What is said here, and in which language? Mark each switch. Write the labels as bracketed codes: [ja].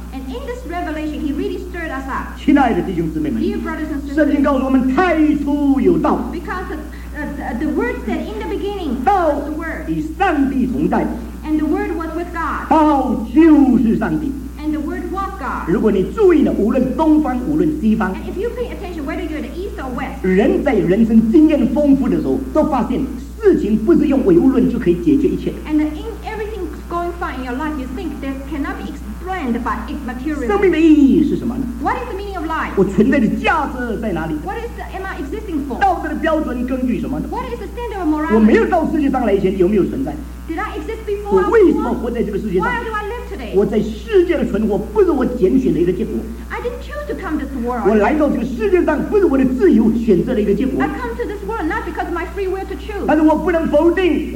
[en] And in this revelation, he really stirred us up. [zh] 亲爱的弟兄姊妹们， [en] Dear brothers and sisters, [zh] 圣经告诉我们太初有道。 [en] Because the word said in the beginning, [zh] 道 [en] was the word. [zh] 与上帝同在。 [en] And the word was with God. [zh] 道就是上帝。 [en] And the word was God. [zh] 如果你注意了，无论东方无论西方， [en] And if you pay attention, whether you're in the east or west, [zh] 人在人生经验丰富的时候，都发现 事情不是用唯物论就可以解决一切。 [en] And in everything going fine in your life, you think that cannot be explained by its material. [zh] 生命的意义是什么呢？ [en] What is the meaning of life? [zh] 我存在的价值在哪里？ [en] What is am I existing for? [zh] 道德的标准根据什么呢？ [en] What is the standard of morality? [zh] 我没有到世界上来以前有没有存在？ [en] Did I exist before? [zh] 我为什么活在这个世界上？ [en] Why do I live today? [zh] 我在世界的存活不是我拣选的一个结果。 [en] I didn't choose to come to this world. [zh] 我来到这个世界上不是我的自由选择的一个结果。 [en] I come to this world not because of my free will to choose.